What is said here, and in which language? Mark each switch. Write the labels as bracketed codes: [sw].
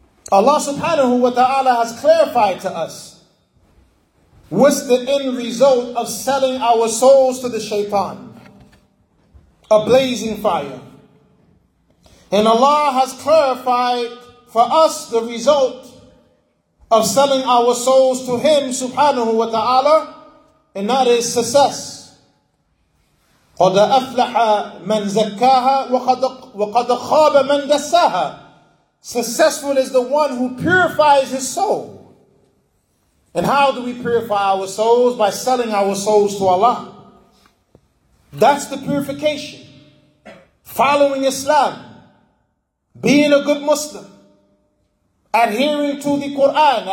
[en] Allah subhanahu wa ta'ala has clarified to us what's the end result of selling our souls to the shaitan. A blazing fire. And Allah has clarified for us the result of selling our souls to Him subhanahu wa ta'ala, and that is success. [ar] قد أفلح من زكاها وقد خاب من دساها. [en] Successful is the one who purifies his soul. And how do we purify our souls? By selling our souls to Allah. That's the purification. Following Islam. Being a good Muslim. Adhering to the Quran.